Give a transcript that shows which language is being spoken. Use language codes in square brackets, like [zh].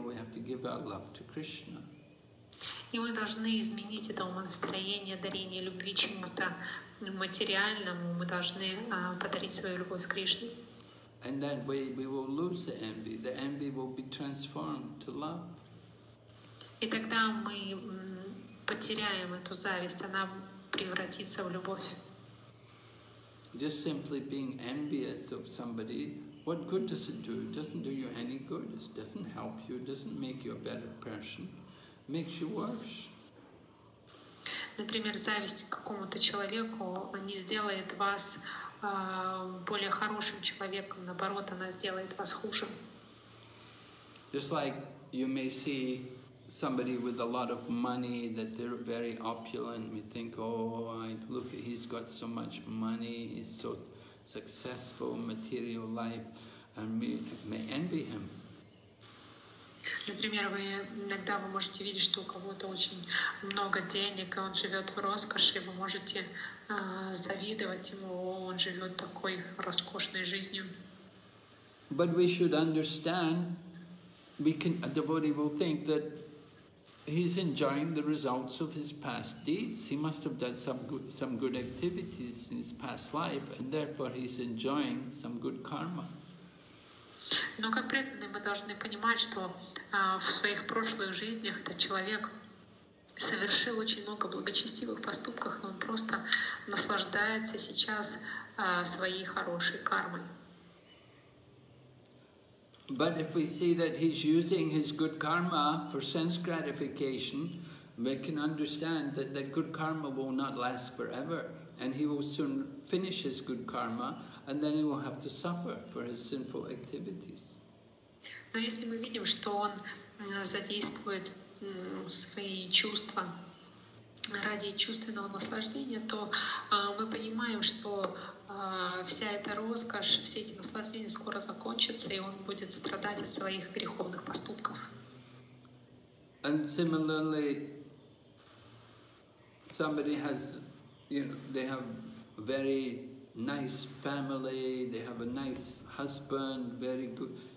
[en] We have to give our love to Krishna. [ru] И мы должны изменить это умонастроение, дарение любви чему-то материальному. Мы должны подарить свою любовь Кришне. [en] And that way we will lose the envy. The envy will be transformed to love. [ru] И тогда мы потеряем эту зависть, она превратится в любовь. [en] Just simply being envious of somebody, what good does it do? It doesn't do you any good. It doesn't help you. It doesn't make you a better person. Makes you worse. [ru] Например, зависть к какому-то человеку не сделает вас более хорошим человеком, наоборот, она сделает вас хуже. [en] Just like you may see somebody with a lot of money, that they're very opulent, we think, look, he's got so much money, he's so successful in material life, and we may envy him. [ru] Например, иногда вы можете видеть, что у кого-то очень много денег, и он живет в роскоши, вы можете завидовать ему, он живет такой роскошной жизнью. [en] But we should understand, a devotee will think that he's enjoying the results of his past deeds. He must have done some good activities in his past life, and therefore he's enjoying some good karma. [ru] Но как преданные мы должны понимать, что в своих прошлых жизнях этот человек совершил очень много благочестивых поступков, и он просто наслаждается сейчас своей хорошей кармой. [en] But if we see that he's using his good karma for sense gratification, we can understand that that good karma will not last forever, and he will soon finish his good karma, and then he will have to suffer for his sinful activities. [ru] Но если мы видим, что он задействует свои чувства ради чувственного наслаждения, то мы понимаем, что вся эта роскошь, все эти наслаждения скоро закончатся, и он будет страдать от своих греховных поступков. [en] And similarly, somebody has, they have a very nice family, they have a nice husband, very good.